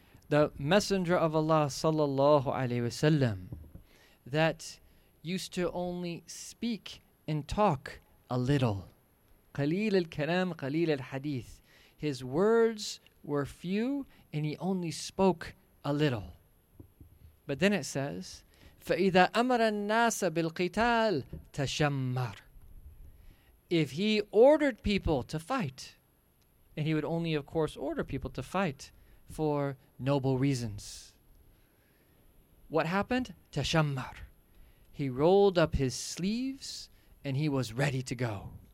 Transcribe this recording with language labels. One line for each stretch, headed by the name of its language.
English: The messenger of Allah sallallahu alaihi wasallam that used to only speak and talk a little.
Arabic: Qalil al-kalam qalil al-hadith.
English: His words were few and he only spoke a little. But then it says
Arabic: فَإِذَا أَمَرَ النَّاسَ بِالْقِتَالِ تَشَمَّرْ.
English: If he ordered people to fight, and he would only, of course, order people to fight for noble reasons. What happened? Tashammar. He rolled up his sleeves and he was ready to go.